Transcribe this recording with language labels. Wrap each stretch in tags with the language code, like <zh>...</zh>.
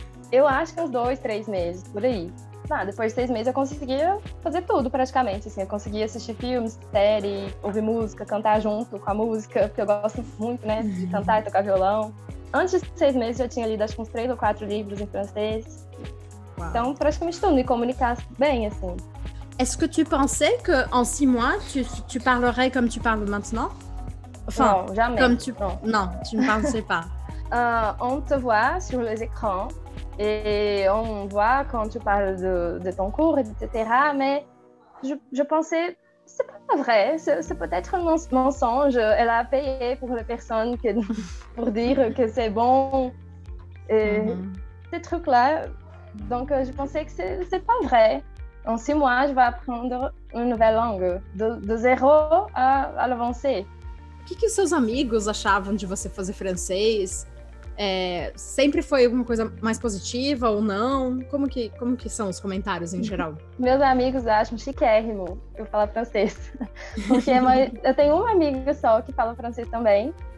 <pt>Eu acho que uns 2-3 meses, por aí. Depois de 6 meses eu conseguia fazer tudo, praticamente, assim, eu conseguia assistir filmes, série, ouvir música, cantar junto com a música, porque eu gosto muito, né, de cantar e tocar violão. Antes de 6 meses eu já tinha lido, acho que uns 3 ou 4 livros em francês. Então, praticamente tudo, me comunicar bem, assim.</pt> <fr>Est-ce que tu pensais que en 6 mois tu parlerais comme tu parles maintenant? Enfin, non, jamais. Comme tu... Non. Non, tu ne pensais pas. On te voit sur les écrans et on voit quand tu parles de ton cours, etc. Mais je pensais, c'est pas vrai, c'est peut-être un mensonge. Elle a payé pour les personnes que, pour dire que c'est bon. Et ces trucs-là. Donc, je pensais que c'est pas vrai. En 6 mois, je vais apprendre une nouvelle langue, de zéro à l'avancée.</fr> <pt>O que os seus amigos achavam de você fazer francês? Sempre foi alguma coisa mais positiva ou não? Como que são os comentários em geral? Meus amigos acham chiquérrimo eu falar francês. Porque eu tenho uma amiga só que fala francês também.</pt>